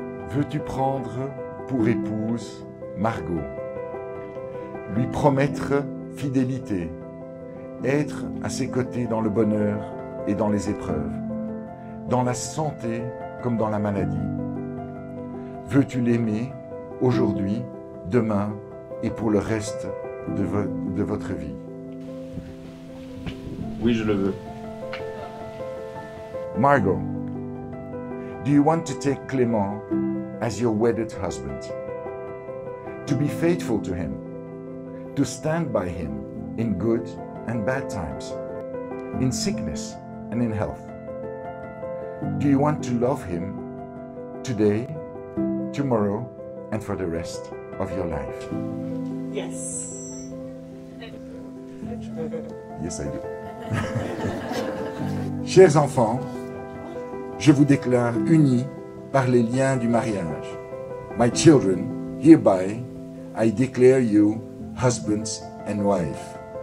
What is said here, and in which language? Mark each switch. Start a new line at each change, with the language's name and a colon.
French: Veux-tu prendre pour épouse Margot, lui promettre fidélité, être à ses côtés dans le bonheur et dans les épreuves, dans la santé comme dans la maladie? Veux-tu l'aimer aujourd'hui, demain et pour le reste de votre vie? Oui, je le veux.
English: Margot, do you want to take Clément as your wedded husband, to be faithful to him, to stand by him in good and bad times, in sickness and in health? Do you want to love him today, tomorrow, and for the rest of your life? Yes. Yes, I do.
French: Chers enfants, je vous déclare unis par les liens du mariage.
English: My children, hereby, I declare you husbands and wife.